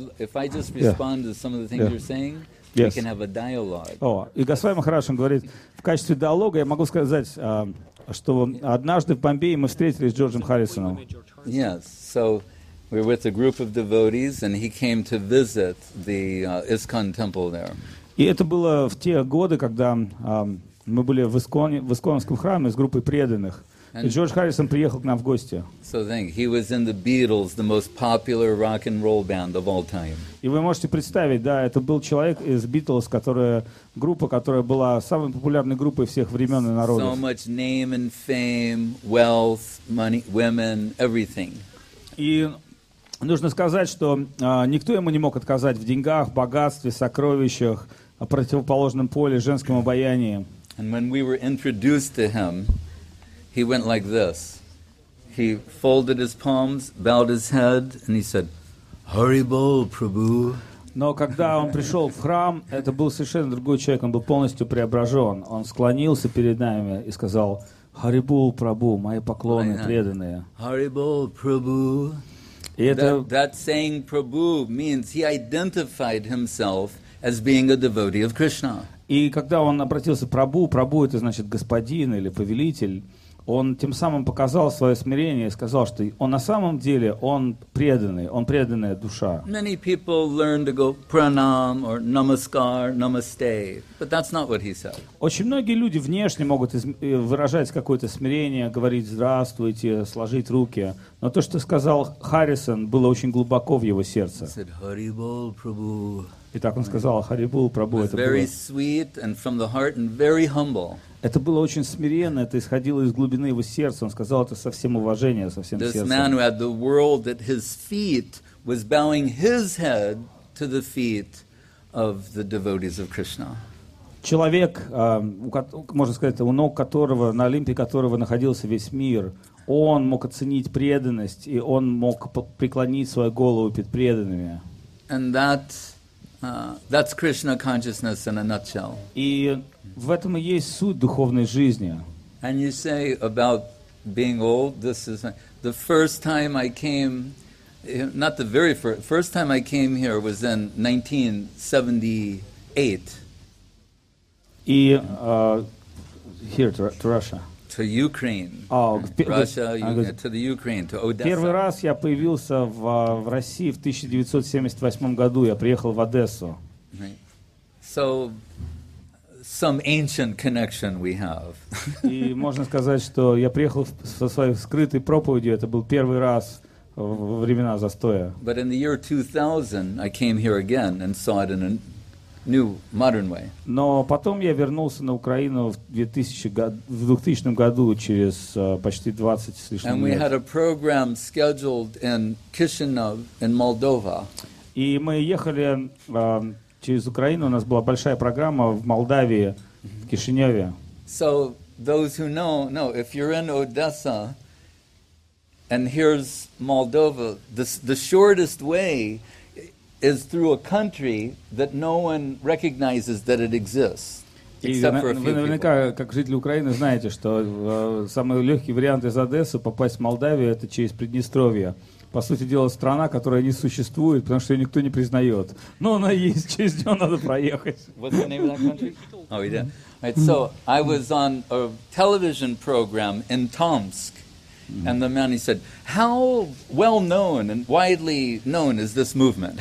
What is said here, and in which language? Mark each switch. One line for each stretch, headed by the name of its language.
English: If I just respond to some of the things you're saying, we can have a dialogue.
Russian: О, и Госвами Махараджа говорит, в качестве диалога я могу сказать, что однажды в Бомбее мы встретились с Джорджем Харрисоном.
English: Yes, so we're with a group of devotees, and he came to visit the ISKCON temple there.
Russian: И это было в те годы, когда мы были в Исконе, в Исконском храме с группой преданных. And George Harrison приехал к нам в гости.
English: So think, he was in the Beatles, the most popular rock and roll band of all time.
Russian: И вы можете представить, да, это был человек из Beatles, группа, которая была самой популярной группой всех времен и народов.
English: So much name and fame, wealth, money, women, everything.
Russian: И нужно сказать, что никто ему не мог отказать в деньгах, богатстве, сокровищах, противоположном поле, женском обаянии.
English: And when we were introduced to him, he went like this. He folded his palms, bowed his head, and he said, "Hari Bol, Prabhu."
Russian: Но когда он пришел в храм, это был совершенно другой человек. Он был полностью преображен. Он склонился перед нами и сказал, "Hari Bol, Prabhu, мои поклоны преданные."
English: Hari Bol, Prabhu. That saying "Prabhu" means he identified himself as being a devotee of Krishna.
Russian: И когда он обратился Прабу, Прабу это значит господин или повелитель. Он тем самым показал свое смирение и сказал, что он на самом деле он преданная душа.
English: Many people learn to go pranam or namaskar, namaste, but that's not what he said.
Russian: Очень многие люди внешне могут выражать какое-то смирение, говорить здравствуйте, сложить руки, но то, что сказал Харрисон, было очень глубоко в его сердце.
English: He said, "Hari Bol, Prabhu."
Russian: И так он сказал, "Hari Bol, Prabhu."
English: It was very sweet and from the heart and very humble.
Russian: Это было очень смиренно, это исходило из глубины его сердца. Он сказал это со всем уважением, со всем
English: this
Russian: сердцем.
English: Man who had the world at his feet was bowing his head to the feet of the devotees of Krishna.
Russian: Человек, можно сказать, у ног которого, на Олимпе которого находился весь мир, он мог оценить преданность, и он мог преклонить свою голову перед преданными.
English: And that's Krishna consciousness in a nutshell.
Russian: И в этом и есть суть духовной жизни.
English: And you say about being old, this is the first time I came, not the very first time I came here was in 1978. И here to Russia. To Ukraine. Russia, to the Ukraine, to Odessa.
Russian: Первый раз я появился в России в 1978 году. Я приехал в Одессу.
English: Right. So, some ancient connection we have.
Russian: И можно сказать, что я приехал со своей скрытой проповедью. Это был первый раз во времена застоя.
English: But in the year 2000, I came here again and saw it in a new, modern way.
Russian: Но потом я вернулся на Украину в 2000 году через почти 20 с лишним лет.
English: And we had a program scheduled in Chisinau in Moldova.
Russian: И мы ехали через Украину, у нас была большая программа в Молдавии, в Кишиневе.
English: So those who know, if you're in Odessa and here's Moldova, the shortest way is through a country that no one recognizes that it exists.
Russian: Вы наверняка, как жители Украины, знаете, что самый легкий вариант из Одессы попасть в Молдавию — это через Приднестровье. По сути дела, страна, которая не существует, потому что ее никто не признает. Но она есть, через нее надо проехать.
English: What's the name of that country? Oh, yeah. Right, so, I was on a television program in Tomsk, and the man, he said, how well known and widely known is this movement?